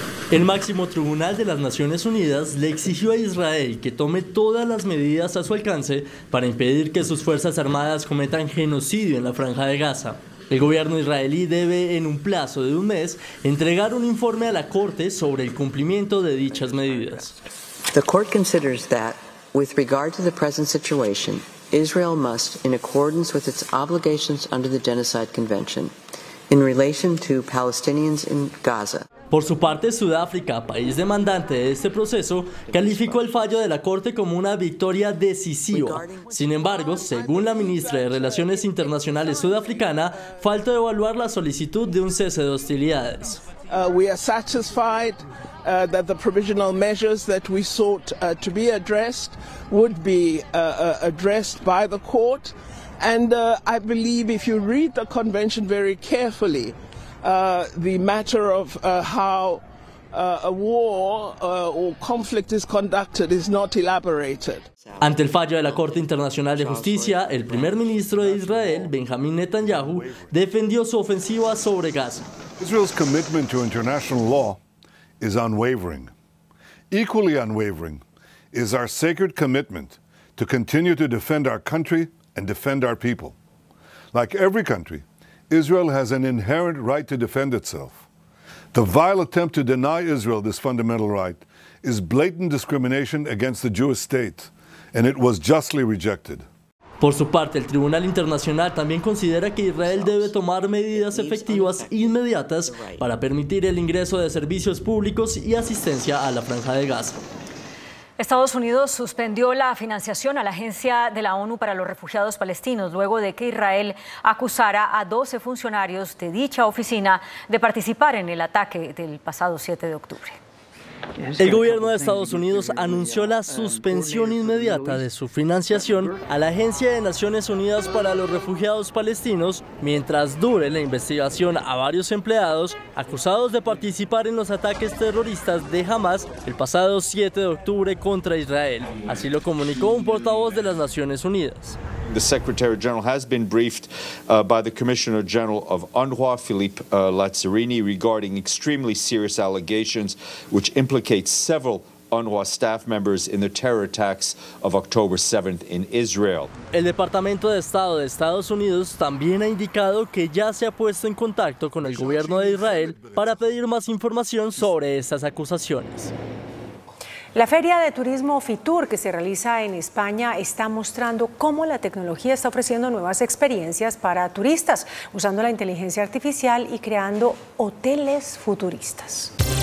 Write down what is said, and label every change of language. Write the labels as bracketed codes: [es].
[es] El máximo tribunal de las Naciones Unidas le exigió a Israel que tome todas las medidas a su alcance para impedir que sus fuerzas armadas cometan genocidio en la franja de Gaza. El gobierno israelí debe, en un plazo de un mes, entregar un informe a la Corte sobre el cumplimiento de dichas medidas. [en] The court considers that, with regard to the present situation, Israel must, in accordance with its obligations under the Genocide Convention, in relation to Palestinians in Gaza. [es] Por su parte, Sudáfrica, país demandante de este proceso, calificó el fallo de la Corte como una victoria decisiva. Sin embargo, según la ministra de Relaciones Internacionales sudafricana, faltó evaluar la solicitud de un cese de hostilidades. [en] We are satisfied that the provisional measures that we sought to be addressed would be addressed by the court. And I believe if you read the convention very carefully, the matter of how a war or conflict is conducted is not elaborated. [es] Ante el fallo de la Corte Internacional de Justicia, el primer ministro de Israel, Benjamin Netanyahu, defendió su ofensiva sobre Gaza. [en] Israel's commitment to international law is unwavering. Equally unwavering is our sacred commitment to continue to defend our country and defend our people. Like every country, Israel has an inherent right to defend itself. The vile attempt to deny Israel this fundamental right is blatant discrimination against the Jewish state, and it was justly rejected. [es] Por su parte, el Tribunal Internacional también considera que Israel debe tomar medidas efectivas inmediatas para permitir el ingreso de servicios públicos y asistencia a la Franja de Gaza. Estados Unidos suspendió la financiación a la Agencia de la ONU para los Refugiados Palestinos luego de que Israel acusara a 12 funcionarios de dicha oficina de participar en el ataque del pasado 7 de octubre. El gobierno de Estados Unidos anunció la suspensión inmediata de su financiación a la Agencia de Naciones Unidas para los Refugiados Palestinos mientras dure la investigación a varios empleados acusados de participar en los ataques terroristas de Hamas el pasado 7 de octubre contra Israel. Así lo comunicó un portavoz de las Naciones Unidas. [en] The Secretary General has been briefed by the Commissioner General of UNRWA, Philippe Lazzarini, regarding extremely serious allegations which implicate several UNRWA staff members in the terror attacks of October 7th in Israel. [es] El Departamento de Estado de Estados Unidos también ha indicado que ya se ha puesto en contacto con el gobierno de Israel para pedir más información sobre estas acusaciones. La feria de turismo Fitur que se realiza en España está mostrando cómo la tecnología está ofreciendo nuevas experiencias para turistas, usando la inteligencia artificial y creando hoteles futuristas.